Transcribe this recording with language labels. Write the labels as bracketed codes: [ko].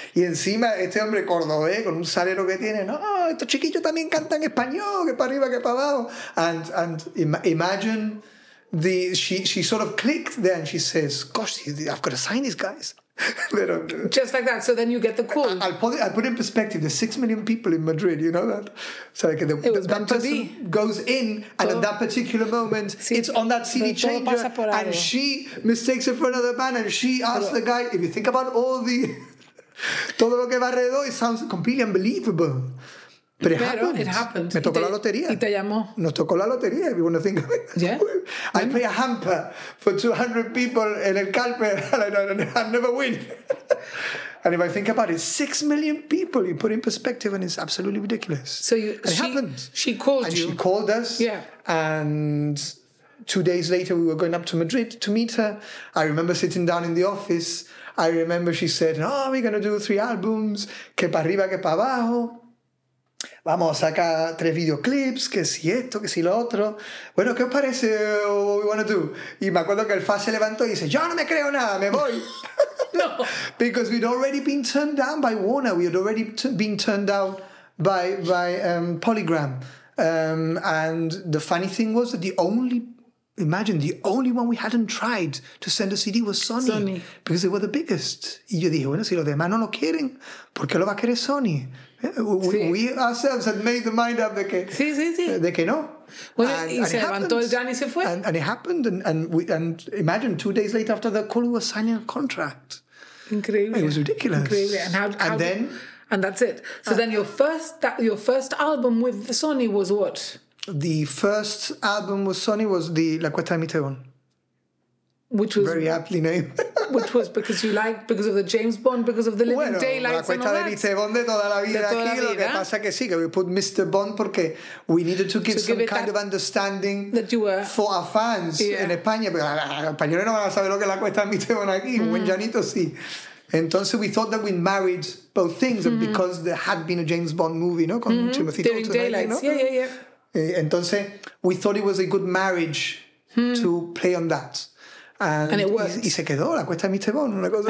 [es] Y encima, este hombre cordobés, con un salero que tiene, no, estos chiquillos también cantan español, que para arriba, que para abajo. [en] And imagine she sort of clicked there and she says, gosh, I've got to sign these guys. Just like that. So then you get the call. I'll put it in perspective. There's 6 million people in Madrid. You know that? So like that person goes in, and at that particular moment, it's on that CD changer, and she mistakes it for another band, and she asks the guy, if you think about all the... [es] todo lo que va alrededor, [en] it sounds completely unbelievable. But it happened. [es] Me tocó la lotería. Y te llamó. Nos tocó la lotería, [en] if you want to think of it. Yeah. I play a hamper for 200 people in El Calpe, and I never win. And if I think about it, 6 million people, you put in perspective, and it's absolutely ridiculous. She called you. And she called us. Yeah. And 2 days later, we were going up to Madrid to meet her. I remember sitting down in the office. I remember she said, oh, we're going to do 3 albums. [es] Que para arriba, que para abajo. Vamos a sacar 3 videoclips, que si esto, que si lo otro. Bueno, ¿qué os parece [en] what we want to do? [es] Y me acuerdo que el Fa se levantó y dice, yo no me creo nada, me voy. No. [en] Because we'd already been turned down by Warner. We had already been turned down by Polygram. And the funny thing was that the only one we hadn't tried to send a CD was Sony. Because they were the biggest. [es] Y yo dije, bueno, si los demás no lo quieren, ¿por qué lo va a querer Sony? [en] We ourselves had made the mind up [es] de que no. [en] Well, and it happened, and imagine 2 days later after the call, we were signing a contract. Incredible. It was ridiculous. Incredible. And that's it. So then your first album with Sony was what? The first album with Sony was the La Cuesta de Mi Tejón. Which was very aptly named. Which was because of the James Bond, because of the Living Daylights and all that. [es] Bueno, la cuesta de Mr. Bond de toda la vida aquí. Lo que pasa que sí, que [en] we put Mr. Bond porque we needed to give some kind of understanding that you were for our fans in España. [es] Pero los españoles no van a saber lo que la cuesta de Mr. Bond aquí. Buen llanito sí. [en] Entonces we thought that we married both things, and because there had been a James Bond movie, no, con Timothy Dalton, Living Daylights, yeah. Entonces we thought it was a good marriage to play on that. And it worked. [es] Y se quedó, la cuesta de Mr. Bond, una cosa.